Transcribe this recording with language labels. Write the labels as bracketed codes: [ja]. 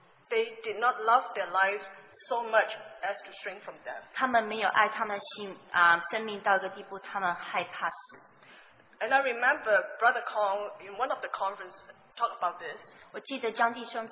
[en] They did not love their lives so much as to shrink from death. [zh] 他们没有爱他们的心 生命到一个地步，他们害怕死。 [en] And I remember Brother Kong in one of the conferences talked about this.